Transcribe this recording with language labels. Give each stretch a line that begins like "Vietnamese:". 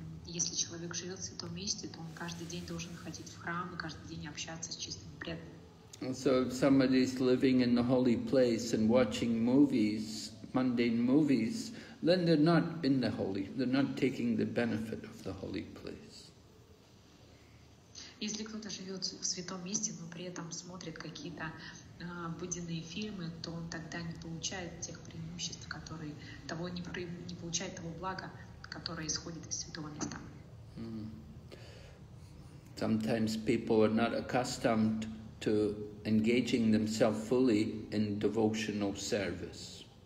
Russian: Если человек живет в святом месте, то он каждый день должен ходить в храм и каждый день общаться с чистыми преданными.
English: So if somebody is living in the holy place and watching movies, mundane movies, then they're not in the holy, they're not taking the benefit of the holy place.
Russian: Если кто-то живет в святом месте, но при этом смотрит какие-то обыденные фильмы, то он тогда не получает тех преимуществ, которые того не получает того блага, которое исходит из святого места.
English: Sometimes people are not accustomed to engaging themselves fully in devotional service.